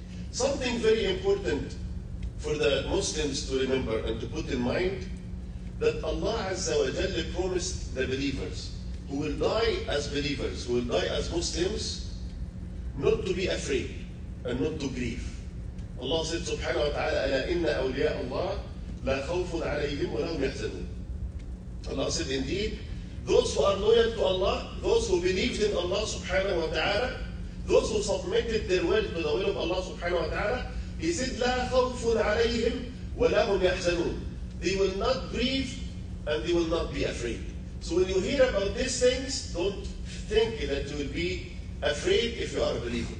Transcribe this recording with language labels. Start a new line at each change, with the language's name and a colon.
English: Something very important for the Muslims to remember and to put in mind, that Allah Azza wa Jalla promised the believers who will die as believers, who will die as Muslims, not to be afraid and not to grieve. Allah said
Arabic: subhanahu wa ta'ala, أَلَا إِنَّ أَوْلِيَاءَ اللَّهِ لا خوف عليهم ولا هم يحزنون.
English: Allah said, indeed, those who are loyal to Allah, those who believed in Allah subhanahu wa ta'ala, those who submitted their will to the will of Allah subhanahu wa ta'ala, he said,
Arabic: لا خوف عليهم ولا هم يحزنون.
English: They will not grieve and they will not be afraid. So when you hear about these things, don't think that you will be afraid if you are a believer.